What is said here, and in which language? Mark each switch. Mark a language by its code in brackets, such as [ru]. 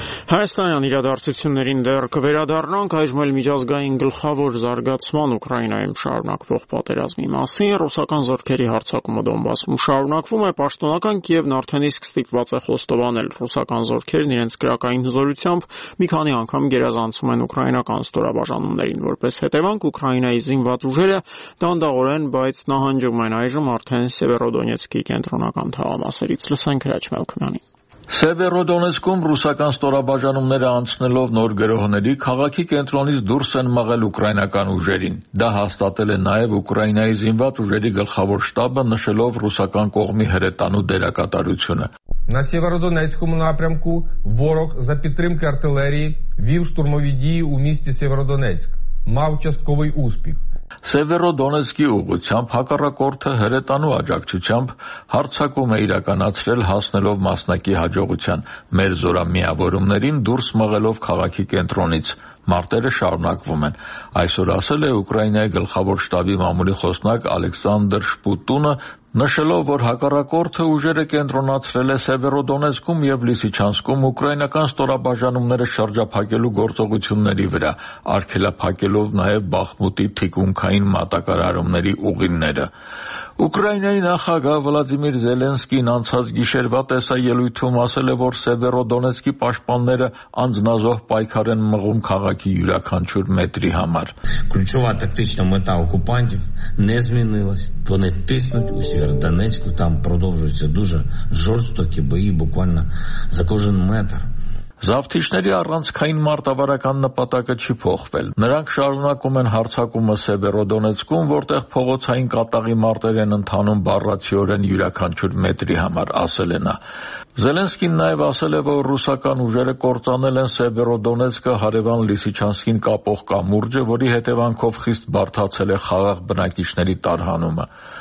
[hy] Հայաստանյան իրադարձություններին դեռ կվերադառնանք, այժմ էլ միջազգային գլխավոր զարգացման Ուկրաինայում շարունակվող պատերազմի մասին։ Ռուսական զորքերի հարձակումը Դոնբասում շարունակվում է, պաշտոնական Կիևն արդեն իսկ ստիպված է խոստովանել ռուսական զորքերն իրենց գրակային հզորությամբ, մի քանի անգամ գերազանցում են ուկրաինական ստորաբաժանումներին, որպես հետևանք Ուկրաինայի զինված ուժերը դանդաղորեն, բայց նահանջում են այժմ արդեն Սևերոդոնեցկի կենտրոնական թաղամասերից։ Լսենք Հրաչ Մելքոմյանի։ Սևերոդոնեցկում ռուսական ստորաբաժանումները անցնելով նոր գրոհների քաղաքի կենտրոնից դուրս են մղել ուկրաինական ուժերին։ Դա հաստատել է նաև Ուկրաինայի զինված ուժերի գլխավոր շտաբը, նշելով ռուսական կողմի հրետանու դերակատարությունը։ [uk] На Северодонецькому напрямку ворог за підтримки артилерії вів штурмові дії у місті Северодонецьк, мав частковий успіх. [hy] Սևերոդոնեցկի ուղությամբ հակառակորդը հրետանու աջակցությամբ հարձակում է իրականացրել, հասնելով մասնակի հաջողության մեր զորամիավորումներին, դուրս մղելով քաղաքի կենտրոնից։ Մարտերը շարունակվում են, այսօր ասել է Ուկրաինայի գլխավոր շտաբի մամուլի խոսնակ Ալեքսանդր Շպուտունը, նշելով, որ հակառակորդը ուժերը կենտրոնացրել է Սևերոդոնեցկում և Լիսիչանսկում ուկրաինական ստորաբաժանումները շրջափակելու գործողությունների վրա, արգելափակելով նաև Բախմուտի թիկունքային մատակարարումների ուղիները։ Ուկրաինայի նախագահ Վլադիմիր Զելենսկին անցած գիշերվա տեսայելույթում ասել է, որ Սևերոդոնեցկի պաշտպանները անձնազոհ պայքար են մղում քաղաքի յուրաքանչյուր մետրի համար։ [uk] Ключова тактична мета окупантів не змінилась. Вони тиснуть у Сєвєродонецьку, там продовжуються дуже жорстокі бої, буквально за кожен метр. [hy] Զավթիչների առանցքային մարտավարական նպատակը չի փոխվել։ Նրանք շարունակում են հարձակումը Սևերոդոնեցկում, որտեղ փողոցային կատաղի մարտեր են ընթանում բառացիորեն յուրաքանչյուր մետրի համար, ասել են նա։ Զելենսկին նաև ասել է, որ ռուսական ուժերը կործանել են Սևերոդոնեցկը հարևան Լիսիչանսկին կապող կամուրջը, որի հետևանքով խիստ բարդացել է խաղաղ բնակիչների տարհանումը։